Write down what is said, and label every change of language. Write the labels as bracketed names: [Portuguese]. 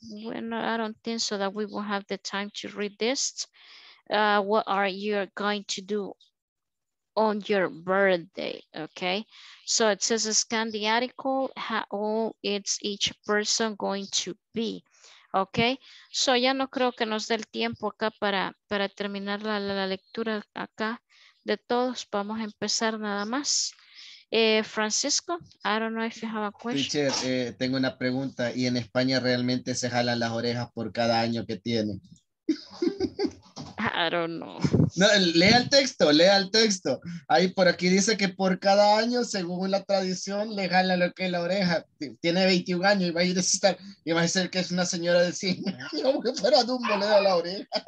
[English] Well, I don't think so that we will have the time to read this. What are you going to do on your birthday, okay? So it says, scan the article, how old is each person going to be, okay? [Spanish] So ya no creo que nos dé el tiempo acá para terminar la lectura acá de todos. Vamos a empezar nada más. [English] Francisco, I don't know if you have a question. [Spanish] Teacher, tengo una pregunta. ¿Y en España realmente se jalan las orejas por cada año que tiene? [English] I don't know. [Spanish] No, lea el texto. Ahí por aquí dice que por cada año, según la tradición, le jala lo que es la oreja. Tiene 21 años y va a ir a estar, y va a ser que es una señora de 100 años, que fuera Dumbo le da la oreja.